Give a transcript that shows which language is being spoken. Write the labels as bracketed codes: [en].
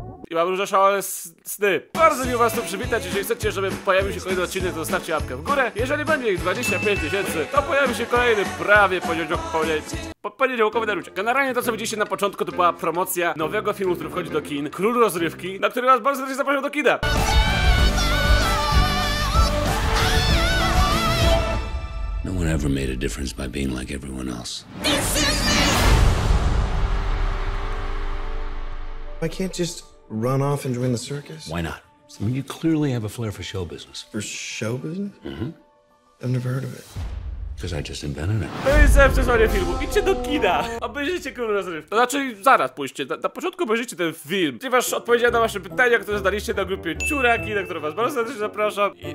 [pl] I mam różne szalone sny. Bardzo miło was tu przywitać, jeżeli chcecie, żeby pojawił się kolejny odcinek, to zostawcie łapkę w górę. Jeżeli będzie ich 25 tysięcy, to pojawi się kolejny prawie poniedziałkowy Naruciak. Generalnie to, co widzieliście na początku, to była promocja nowego filmu, który wchodzi do kin, Król Rozrywki, na który was bardzo serdecznie zapraszam do kina. [en] No one ever made a difference by being like everyone else. I can't just run off and join the circus? Why not? I mean, you clearly have a flair for show business. For show business? Mm-hmm. I've never heard of it. Because I just invented it. [pl] To jest przesłanie filmu. Idźcie do kina! Obejrzyjcie Król Rozrywki. To znaczy, zaraz pójście. Na początku obejrzyjcie ten film. Ponieważ odpowiedziałem na wasze pytania, które zadaliście na grupie Czuraki, na którą was bardzo serdecznie zapraszam.